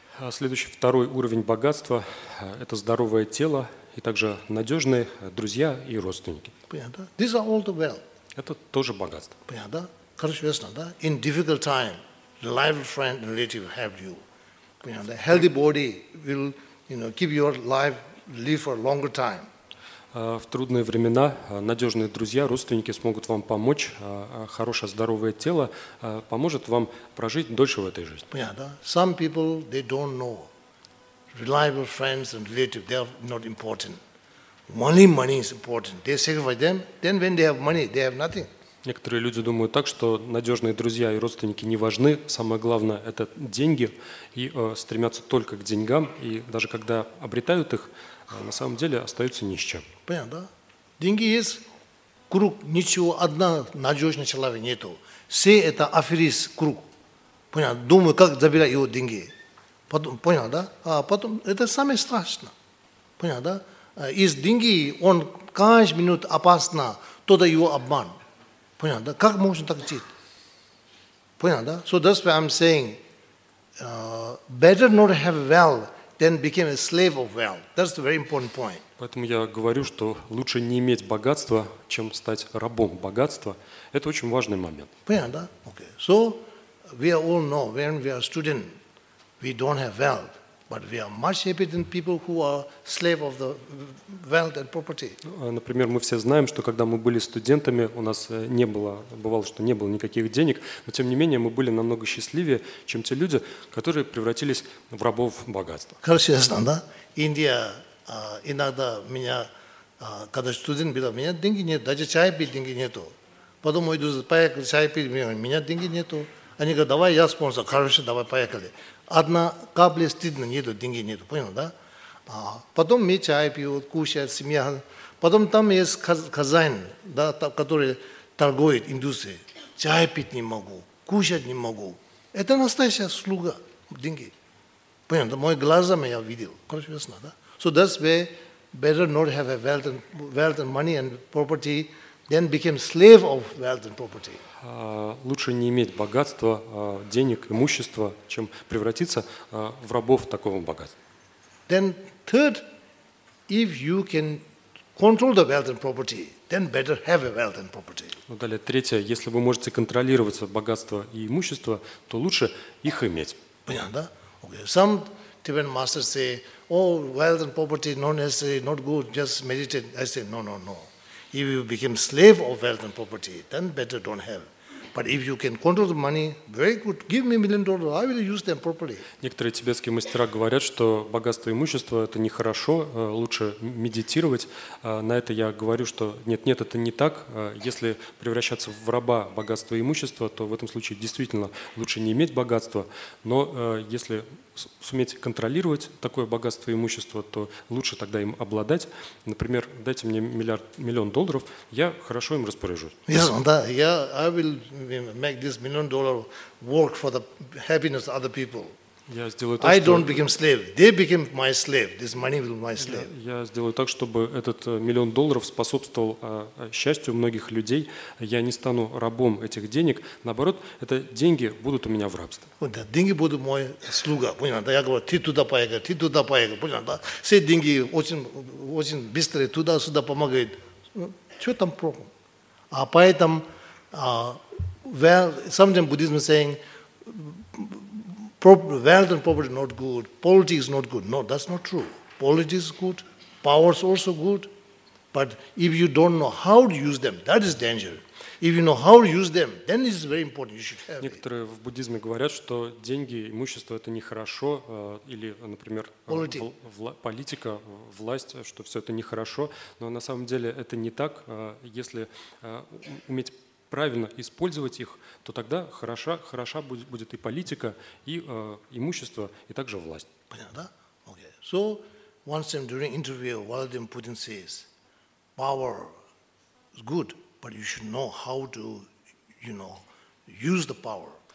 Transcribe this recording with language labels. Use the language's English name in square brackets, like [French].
[Russian] Следующий, второй уровень богатства – это здоровое тело и также надежные друзья и родственники. Понятно, да? [English] These are all the wealth. [Russian] Это тоже богатство. Понятно, да? Хорошо, ясно, да? [English] In difficult time, reliable friend and relative have you. [Russian] Понятно, да? [English] Healthy body will, you know, keep your life live for a longer time. [Russian] В трудные времена надежные друзья, родственники смогут вам помочь. Хорошее, здоровое тело поможет вам прожить дольше в этой жизни. Понятно, да? [English] Some people, they don't know. Reliable friends and relatives, they are not important. Money is important. They sacrifice them. Then when they have money, they have nothing. [Russian] Некоторые люди думают так, что надежные друзья и родственники не важны. Самое главное – это деньги. И стремятся только к деньгам. И даже когда обретают их, на самом деле остаются ни с чем. Понятно, да? Деньги есть, круг ничего, одна надежная человека нету. Все это аферист круг. Понятно? Думаю, как забирать его деньги. Потом, понял, да? А потом, это самое страшное. Понятно, да? Из деньги он каждую минуту опасно, тогда его обман. Понятно, да? Как можно так жить? Понятно, да? [English] So that's why I'm saying, better not have wealth, then became a slave of wealth. That's a very important point. [Russian] Поэтому я говорю, что лучше не иметь богатства, чем стать рабом богатства. Это очень важный момент. Понятно, да? [English] Okay. So we all know when we are student, we don't have wealth, but we are much happier than people who are slave of the wealth and property. [Russian] Например, мы все знаем, что когда мы были студентами, у нас не было, бывало, что не было никаких денег, но тем не менее мы были намного счастливее, чем те люди, которые превратились в рабов богатства. Хорошо, ясно, да? Индия, иногда меня, когда студент был, у меня деньги нет, даже чай пить деньги нету. Потом мой друг поехал чай пить, у меня деньги нету. Они говорят, давай я спонсор, хорошо, давай поехали. Одна капля стыдно, нету, деньги нету, понял, да? А потом мы чай пьют, кушают, семья. Потом там есть хозяин, да, который торгует индустрией. Чай пить не могу, кушать не могу. Это настоящая слуга, деньги. Понял, да? Мои глазами я видел, хорошо, ясно, да? [English] So that's why better not have a wealth and money and property, then became slave of wealth and property. [Russian] Лучше не иметь богатства, денег, имущества, чем превратиться в рабов такого богатства. [English] Then third, if you can control the wealth and property, then better have a wealth and property. [Russian] Ну, далее, третье, если вы можете контролировать богатство и имущество, то лучше их иметь. Понятно, да? [English] Okay. Some Tibetan masters say, oh, wealth and property not necessary, not good, just meditate. I say, no. If you become slave of wealth and property, then better don't have. But if you can control the money, very good. Give me $1 million, I will use them properly. [Russian] Некоторые тибетские мастера говорят, что богатство и имущество – это нехорошо, лучше медитировать. На это я говорю, что нет, это не так. Если превращаться в раба богатства и имущества, то в этом случае действительно лучше не иметь богатства. Но если суметь контролировать такое богатство и имущество, то лучше тогда им обладать. Например, дайте мне $1 million, я хорошо им распоряжусь. [English] Yes, да, I will make this $1 million work for the happiness of other people. [Russian] Я сделаю так, [English] I don't что... become slave. They become my slave. This money will be my slave. [Russian] Я сделаю так, чтобы этот миллион долларов способствовал счастью многих людей. Я не стану рабом этих денег. Наоборот, это деньги будут у меня в рабстве. Да, деньги будут мой слуга. Понятно? Я говорю, ты туда поехал. Понятно? Да? Все деньги очень, очень быстро туда-сюда помогают. Что там проблем? А поэтому, [English] sometimes Buddhism is saying, wealth and property not good, politics not good. No, that's not true. Politics is good, power is also good, but if you don't know how to use them, that is danger. If you know how to use them, then this is very important. You should have it. [Russian] Некоторые в буддизме говорят, что деньги, имущество – это нехорошо, или, например, политика, власть, что все это нехорошо, но на самом деле это не так. Если уметь правильно использовать их, то тогда хороша будет и политика, и имущество, и также власть. Понятно, да? [English] Okay. So, once time during interview, Vladimir Putin says, power is good, but you should know how to, you know, use the power.